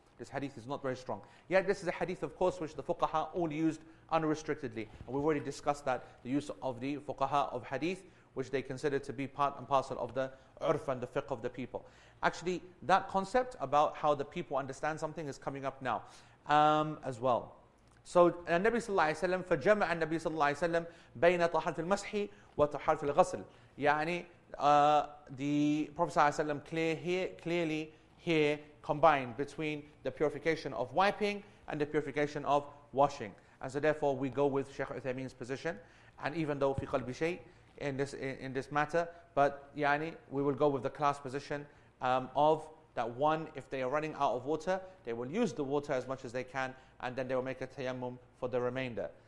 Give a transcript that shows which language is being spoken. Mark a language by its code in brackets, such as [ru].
[en] Yet this is a hadith, of course, which the fuqaha all used unrestrictedly. And we've already discussed that, the use of the fuqaha of hadith, which they consider to be part and parcel of the urf and the fiqh of the people. Actually, that concept about how the people understand something is coming up now as well. [ar] So, النبي صلى الله عليه وسلم فجمع النبي صلى الله عليه وسلم بين طهارة المسح وطهارة الغسل. [en] يعني, the Prophet صلى الله عليه وسلم clearly here combined between the purification of wiping and the purification of washing. And so therefore we go with Shaykh Uthaymeen's position, and even though [ar] في قلبي شيء [en] in this matter, but يعني we will go with the class position of that one, if they are running out of water, they will use the water as much as they can, and then they will make a tayammum for the remainder.